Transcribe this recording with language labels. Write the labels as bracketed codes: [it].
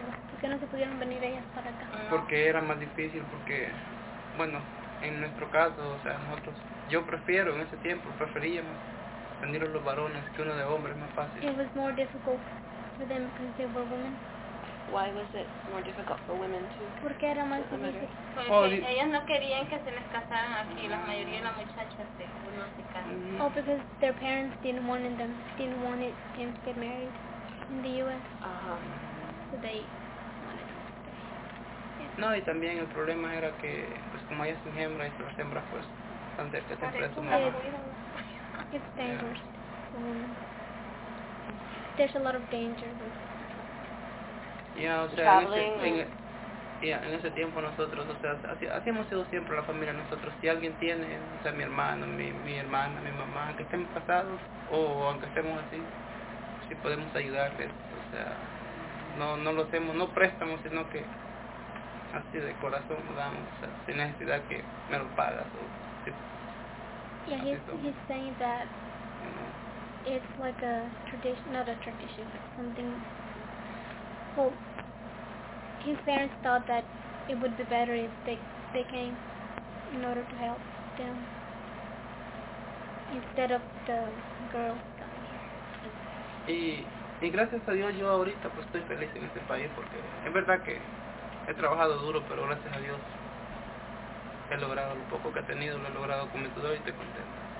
[es] ¿Por qué no se pudieron venir ellas para acá? Porque era más difícil, porque, bueno, en nuestro caso, o sea, nosotros, yo prefiero en ese tiempo, preferíamos venir los varones que uno de hombres, más fácil. [en] It was more difficult for them because they were women. Why was it more difficult for women to? [es] Porque era más difícil. Porque ellas no querían que se les casaran aquí, la mayoría de las muchachas de uno se casan. [en] Oh, because their parents didn't want them to get married in the U.S. Uh-huh. So they wanted to stay. [es] No, y también el problema era que, pues como ellas son hembras y las hembras pues, están de este tiempo de su mamá. [en] It's dangerous for women. There's a lot of danger with it. Yeah, [es] o sea, [en] traveling. [es] En ese tiempo nosotros, o sea, así hemos sido siempre la familia nosotros. Si alguien tiene, o sea, mi hermano, mi hermana, mi mamá, que estemos casados, o aunque estemos así, si podemos ayudarles, o sea, no lo hacemos, no préstamos, sino que así de corazón lo damos, o sea, sin necesidad que me lo pagas. O, si, [en] yeah, he's saying that it's like a tradition, not a tradition, but something, well, his parents thought that it would be better if they came in order to help them instead of the girls coming here. [es] Y gracias a Dios yo ahorita pues estoy feliz en este país porque es verdad que he trabajado duro, pero gracias a Dios he logrado lo poco que he tenido, lo he logrado con mi sudor y estoy contento.